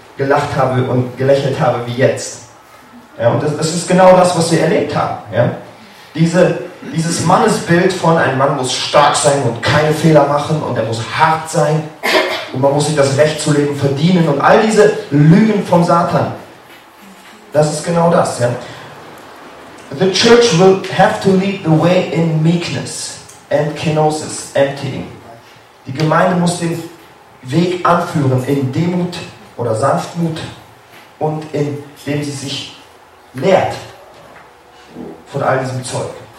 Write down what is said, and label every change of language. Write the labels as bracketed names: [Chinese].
[German] gelacht habe und gelächelt habe wie jetzt. Ja, und das ist genau das, was sie erlebt haben. Ja. Dieses Mannesbild von einem Mann muss stark sein und keine Fehler machen und er muss hart sein und man muss sich das Recht zu leben verdienen und all diese Lügen vom Satan. Das ist genau das. Ja. [English] The church will have to lead the way in meekness and kenosis, emptying. [German] Die Gemeinde muss den Weg anführen in Demut oder Sanftmut und indem sie sich leert von all diesem Zeug.